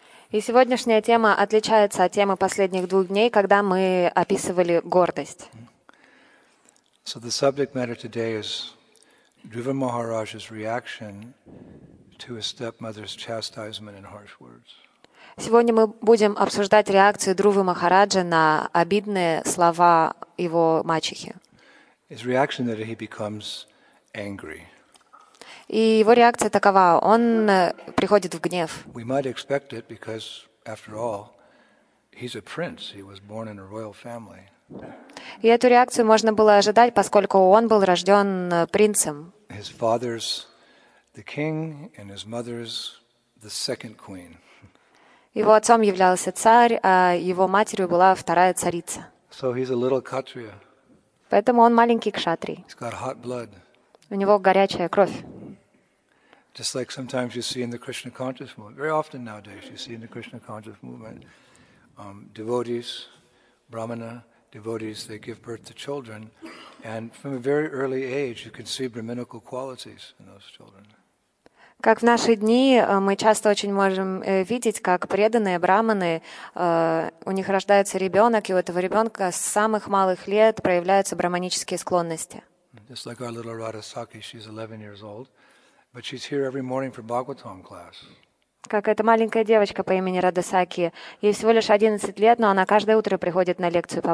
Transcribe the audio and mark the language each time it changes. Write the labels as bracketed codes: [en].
[ru] И сегодняшняя тема отличается от темы последних двух дней, когда мы описывали гордость. [en] So the subject matter today is Dhruva Maharaj's reaction to his stepmother's chastisement and harsh words. [ru] Сегодня мы будем обсуждать реакцию Друвы Махараджа на обидные слова его мачехи. [en] His reaction that he becomes angry. [ru] И его реакция такова. Он приходит в гнев. [en] We might expect it because, after all, he's a prince. He was born in a royal family. [ru] И эту реакцию можно было ожидать, поскольку он был рожден принцем. [en] His father's the king and his mother's the second queen. [ru] Его отцом являлся царь, а его матерью была вторая царица. [en] So he's a little kshatriya. [ru] Поэтому он маленький кшатрий. [en] He's got hot blood. [ru] У него горячая кровь. [en] Just like sometimes you see in the Krishna conscious movement, very often nowadays you see in the Krishna conscious movement, devotees, brahmana devotees, they give birth to children, and from a very early age you can see brahminical qualities in those children. [ru] Как в наши дни мы часто очень можем видеть, как преданные брахманы, у них рождается ребенок, и у этого ребенка с самых малых лет проявляются брахманические склонности. [en] Just like our little Radha Sakhi, she's 11 years old, but she's here every morning for Bhagavatam class. [ru] как эта маленькая девочка по имени Радхасакхи. Ей всего лишь 11 лет, но она каждое утро приходит на лекцию по